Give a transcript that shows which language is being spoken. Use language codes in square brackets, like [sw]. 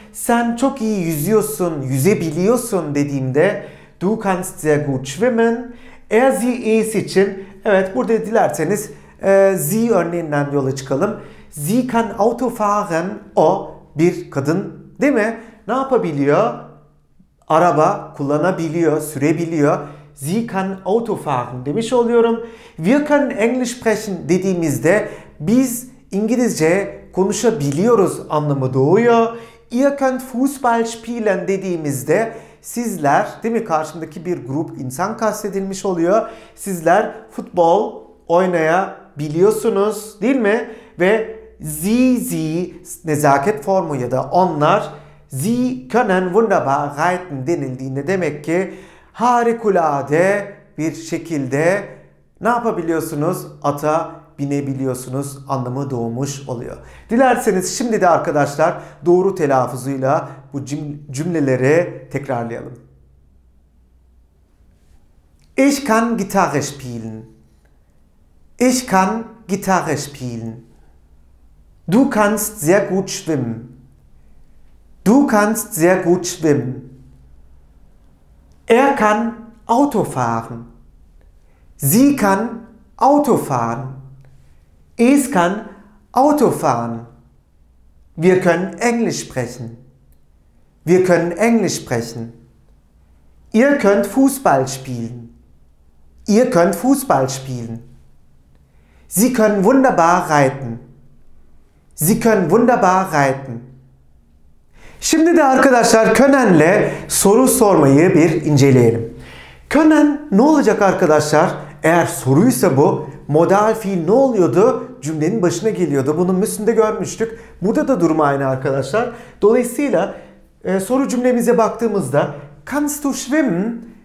[tr] Sen çok iyi yüzüyorsun, yüzebiliyorsun dediğimde [de] Du kannst sehr gut schwimmen. Er, sie, es [tr] için Evet, burada dilerseniz Sie örneğinden yola çıkalım. [de] Sie kann Auto fahren. [tr] O bir kadın, değil mi? Ne yapabiliyor? Araba kullanabiliyor, sürebiliyor. [de] Sie kann Auto fahren [tr] demiş oluyorum. [de] Wir können Englisch sprechen [tr] dediğimizde biz İngilizce konuşabiliyoruz anlamı doğuyor. [de] Ihr könnt Fußball spielen [tr] dediğimizde sizler, değil mi, karşımdaki bir grup insan kastedilmiş oluyor. Sizler futbol oynayabiliyorsunuz, değil mi? Ve sie nezaket formu ya da onlar, [de] sie können wunderbar reiten [tr] denildiğinde demek ki harikulade bir şekilde ne yapabiliyorsunuz? Ata binebiliyorsunuz anlamı doğmuş oluyor. Dilerseniz şimdi de arkadaşlar doğru telaffuzuyla bu cümleleri tekrarlayalım. [de] Ich kann Gitarre spielen. Ich kann Gitarre spielen. Du kannst sehr gut schwimmen. Du kannst sehr gut schwimmen. Er kann Auto fahren. Sie kann Auto fahren. Es kann Auto fahren. Wir können Englisch sprechen. Wir können Englisch sprechen. Ihr könnt Fußball spielen. Ihr könnt Fußball spielen. Sie können wunderbar reiten. Sie können wunderbar reiten. [tr] Şimdi de arkadaşlar können'le soru sormayı bir inceleyelim. Können ne olacak arkadaşlar? Eğer soruysa bu, modal fiil ne oluyordu? Cümlenin başına geliyordu. Bunu Müslüm'de görmüştük. Burada da durum aynı arkadaşlar. Dolayısıyla soru cümlemize baktığımızda [de] kannst du schwimmen?